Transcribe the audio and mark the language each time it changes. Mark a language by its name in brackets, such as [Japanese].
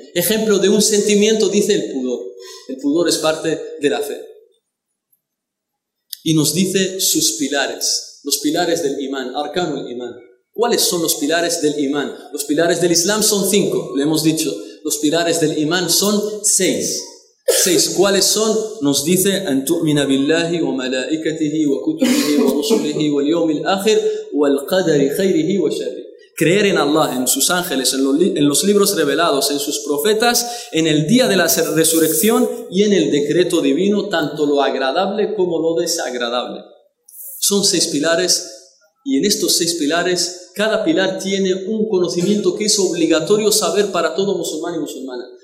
[Spanish] Ejemplo de un sentimiento, dice el pudor. El pudor es parte de la fe. Y nos dice sus pilares, los pilares del imán, arcano el imán. ¿Cuáles son los pilares del imán? Los pilares del Islam son 5, le hemos dicho. Los pilares del imán son 6. 6. ¿Cuáles son? Nos dice, [Arabic] أن تؤمن بالله وملائكته وكتبه ورسله واليوم الآخر والقدر خيره وشره. [Spanish] Creer en Allah, en sus ángeles, en los libros revelados, en sus profetas, en el día de la resurrección y en el decreto divino, tanto lo agradable como lo desagradable. Son 6 pilares, y en estos 6 pilares, cada pilar tiene un conocimiento que es obligatorio saber para todo musulmán y musulmana.